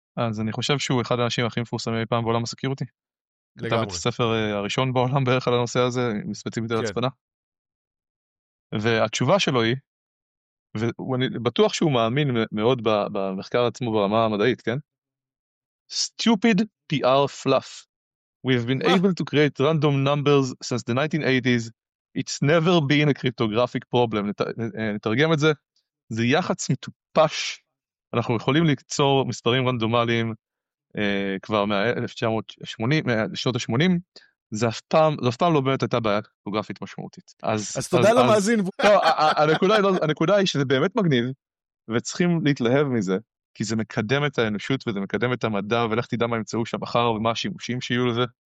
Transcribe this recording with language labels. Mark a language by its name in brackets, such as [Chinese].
[Hebrew] אז אני חושב שהוא אחד האנשים הכי מפורסמים אי פעם בעולם הסקיורטי. כתב את הספר הראשון בעולם בערך על הנושא הזה, ספציפית על הצפנה. והתשובה שלו היא, ואני בטוח שהוא מאמין מאוד במחקר עצמו ברמה המדעית, כן? [English] Stupid PR fluff. We have been able to create random numbers since the 1980s. It's never been a cryptographic problem. [Hebrew] נתרגם את זה. זה יחץ מטופש. אנחנו יכולים ליצור מספרים רנדומליים כבר מהשנות ה-80. זה אף פעם לא באמת הייתה בעיה קריפטוגרפית משמעותית. אז תודה למאזין. הנקודה היא שזה באמת מגניב, וצריכים להתלהב מזה, כי זה מקדם את האנושות וזה מקדם את המדע, ולך תדע מה ימצאו שם אחר ומה השימושים שיהיו לזה.